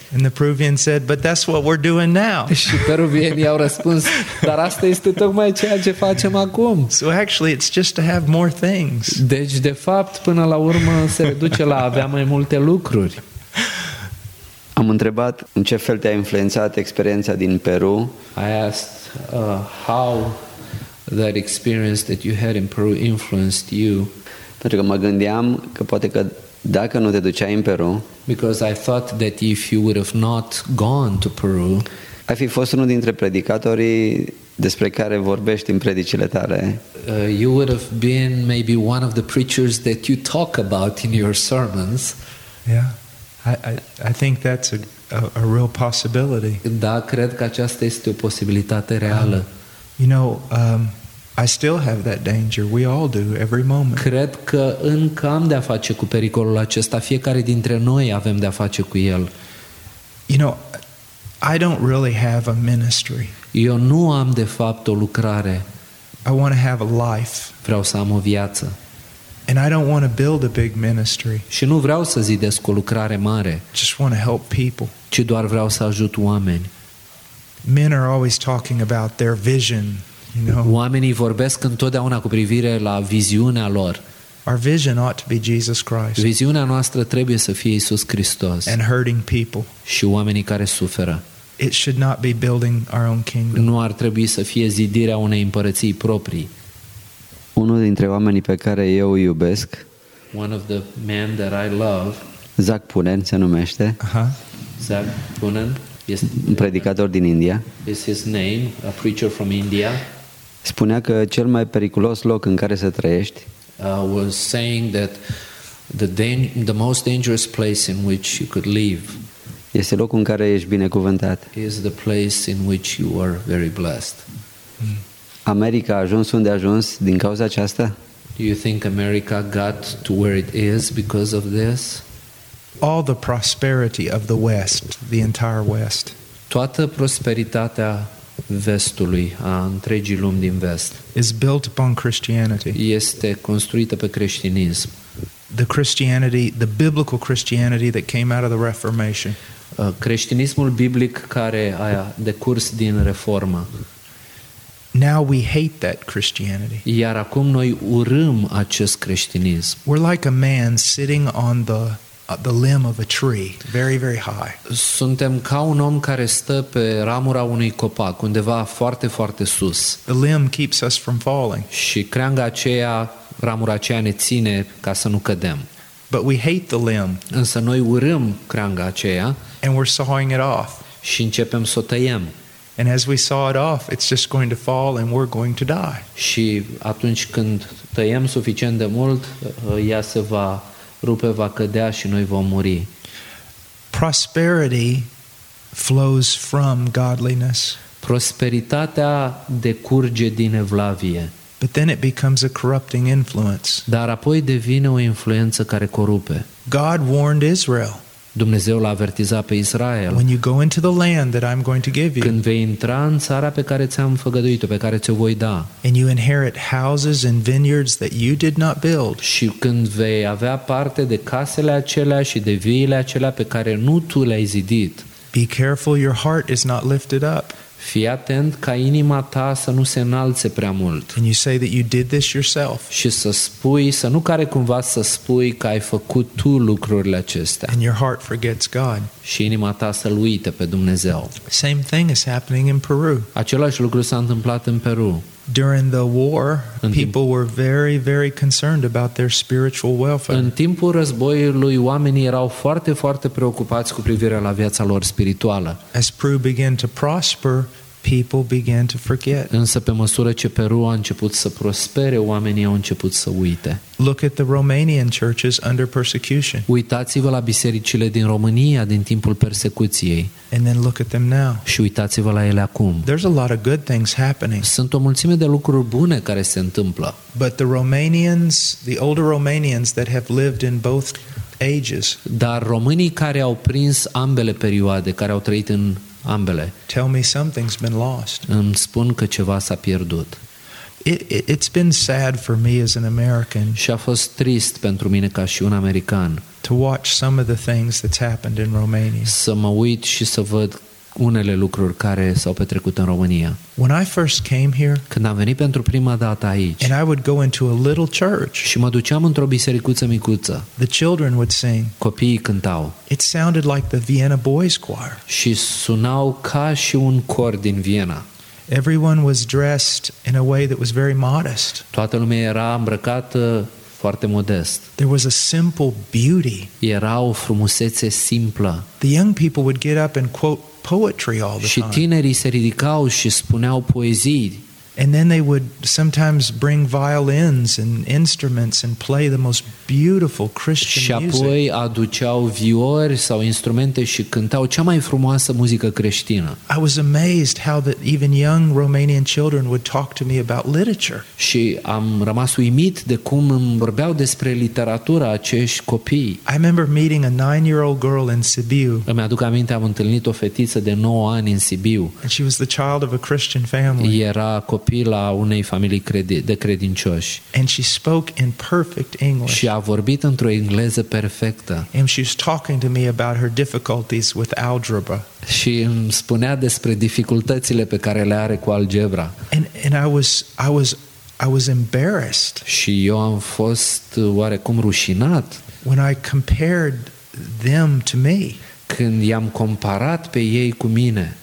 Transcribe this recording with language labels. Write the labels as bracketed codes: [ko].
[en] And the Peruvian said, "But that's what we're doing now." [ro] Și peruvienii au răspuns, dar asta este tocmai ceea ce facem acum. [en] So actually it's just to have more things. [ro] Deci de fapt până la urmă se reduce la a avea mai multe lucruri. Am întrebat în ce fel te-a influențat experiența din Peru. [en] I asked how that experience that you had in Peru influenced you. [ro] Pentru că mă gândeam că poate că dacă nu te duceai în Peru, [en] because I thought that if you would have not gone to Peru, [ro] ai fi fost unul dintre predicatorii despre care vorbești în predicile tale. [en] you would have been maybe one of the preachers that you talk about in your sermons. Yeah, I think that's a real possibility. [ro] Da, cred că aceasta este o posibilitate reală. [en] You know, I still have that danger. We all do, every moment. [ro] Cred că încă am de-a face cu pericolul acesta. Fiecare dintre noi avem de-a face cu el. [en] You know, I don't really have a ministry. [ro] Eu nu am de fapt o lucrare. [en] I want to have a life. [ro] Vreau să am o viață. [en] And I don't want to build a big ministry. [ro] Și nu vreau să zidesc o lucrare mare. [en] Just want to help people. [ro] Ci doar vreau să ajut oameni. [en] Men are always talking about their vision, you know. [ro] Oamenii vorbesc întotdeauna cu privire la viziunea lor. [en] Our vision ought to be Jesus Christ. [ro] Viziunea noastră trebuie să fie Isus Hristos. [en] And hurting people. [ro] Și oamenii care suferă. [en] It should not be building our own kingdom. [ro] Nu ar trebui să fie zidirea unei împărății proprii. Unul dintre oamenii pe care eu îi iubesc, [en] one of the men that I love, [ro] Zach Poonen se numește. Zach Poonen, un predicator din India. [en] Is his name, a preacher from India. [ro] Spunea că cel mai periculos loc în care să trăiești, [en] was saying that the most dangerous place in which you could live, [ro] este locul în care ești binecuvântat. [en] Is the place in which you are very blessed. [ro] America a ajuns unde a ajuns din cauza aceasta? [en] Do you think America got to where it is because of this? All the prosperity of the West, the entire West. [ro] Toată prosperitatea vestului, a întregii lumi din vest, [en] is built upon Christianity. [ro] Este construită pe creștinism. [en] The Christianity, the biblical Christianity that came out of the Reformation. [ro] Creștinismul biblic care a decurs din reformă. [en] Now we hate that Christianity. [ro] Iar acum noi urâm acest creștinism. [en] We're like a man sitting on the limb of a tree, very, very high. [ro] Suntem ca un om care stă pe ramura unui copac, undeva foarte, foarte sus. [en] The limb keeps us from falling. [ro] Și creanga aceea, ramura aceea ne ține ca să nu cădem. [en] But we hate the limb. [ro] Însă noi urâm creanga aceea. [en] And we're sawing it off. [ro] Și începem să o tăiem. [en] And as we saw it off, it's just going to fall and we're going to die. [ro] Și atunci când tăiem suficient de mult, ea se va rupe, va cădea și noi vom muri. [en] Prosperity flows from godliness. [ro] Prosperitatea decurge din evlavie. [en] But then it becomes a corrupting influence. [ro] Dar apoi devine o influență care corupe. [en] God warned Israel. [ro] Dumnezeu l-a avertizat pe Israel. [en] When you go into the land that I'm going to give you. [ro] Când vei intra în țara pe care ți-am făgăduit-o, pe care ți-o voi da. [en] And you inherit houses and vineyards that you did not build. [ro] Și când vei avea parte de casele acelea și de viile acelea pe care nu tu le-ai zidit. [en] Be careful your heart is not lifted up. [ro] Fii atent ca inima ta să nu se înalțe prea mult. [en] And you say that you did this yourself. [ro] Și să spui, să nu care cumva să spui că ai făcut tu lucrurile acestea. [en] And your heart forgets God. [ro] Și inima ta să-L uite pe Dumnezeu. [en] Same thing is happening in Peru. [ro] Același lucru s-a întâmplat în Peru. [en] During the war, people were very, very concerned about their spiritual welfare. [ro] În timpul războiului, oamenii erau foarte, foarte preocupați cu privire la viața lor spirituală. [en] As Peru began to prosper, people began to forget. [ro] Însă pe măsură ce Peru a început să prospere, oamenii au început să uite. [en] Look at the Romanian churches under persecution. [ro] Uitați-vă la bisericile din România din timpul persecuției. [en] And then look at them now. [ro] Și uitați-vă la ele acum. [en] There's a lot of good things happening. [ro] Sunt o mulțime de lucruri bune care se întâmplă. [en] But the Romanians, the older Romanians that have lived in both ages. [ro] Dar românii care au prins ambele perioade, care au trăit în ambele. [en] Tell me something's been lost. [ro] Îmi spun că ceva s-a pierdut. [en] It's been sad for me as an American. [ro] Și a fost trist pentru mine ca și un american. [en] To watch some of the things that's happened in Romania. [ro] Să mă uit și să văd unele lucruri care s-au petrecut în România. [en] When I first came here, [ro] când am venit pentru prima dată aici, [en] and I would go into a little church, [ro] și mă duceam într-o bisericuță micuță, [en] the children would sing, [ro] copiii cântau, [en] it sounded like the Vienna Boys Choir, [ro] și sunau ca și un cor din Viena. [en] Everyone was dressed in a way that was very modest. [ro] Toată lumea era îmbrăcată foarte modest. [en] There was a simple beauty. [ro] Era o frumusețe simplă. [en] The young people would get up and quote poetry all the time. [ro] Și tinerii se ridicau și spuneau poezii. [en] And then they would sometimes bring violins and instruments and play the most beautiful Christian music. [ro] Și apoi aduceau viori sau instrumente și cântau cea mai frumoasă muzică creștină. [en] I was amazed how that even young Romanian children would talk to me about literature. [ro] Și am rămas uimit de cum îmi vorbeau despre literatura acești copii. [en] I remember meeting a 9-year-old girl in Sibiu. [ro] Îmi aduc aminte, am întâlnit o fetiță de 9 ani în Sibiu. [en] And she was the child of a Christian family. [ro] Era copila unei familii de credincioși. [en] And she spoke in perfect English. [ro] Și a vorbit într-o engleză perfectă. [en] And she was talking to me about her difficulties with algebra. [ro] Și îmi spunea despre dificultățile pe care le are cu algebra. [en] And I was embarrassed. [ro] Și eu am fost oarecum rușinat. [en] When I compared them to me. [ro] Când i-am comparat pe ei cu mine.